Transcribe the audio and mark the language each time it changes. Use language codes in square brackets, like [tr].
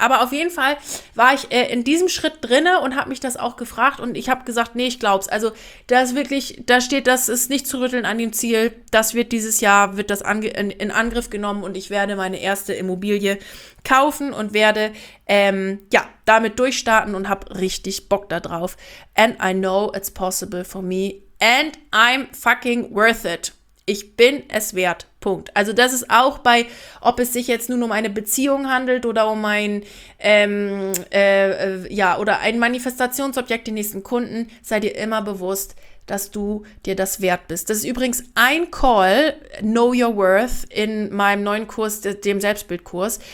[de] Aber auf jeden Fall war ich in diesem Schritt drinne und habe mich das auch gefragt und ich habe gesagt, nee, ich glaub's. Also da ist wirklich, da steht, das ist nicht zu rütteln an dem Ziel, das wird dieses Jahr, wird das in Angriff genommen und ich werde meine erste Immobilie kaufen und werde damit durchstarten und habe richtig Bock da drauf. [en] And I know it's possible for me and I'm fucking worth it. [de] Ich bin es wert. Punkt. Also das ist auch bei, ob es sich jetzt nun um eine Beziehung handelt oder um ein oder ein Manifestationsobjekt, den nächsten Kunden, sei dir immer bewusst, dass du dir das wert bist. Das ist übrigens ein Call, Know Your Worth, in meinem neuen Kurs, dem Selbstbildkurs.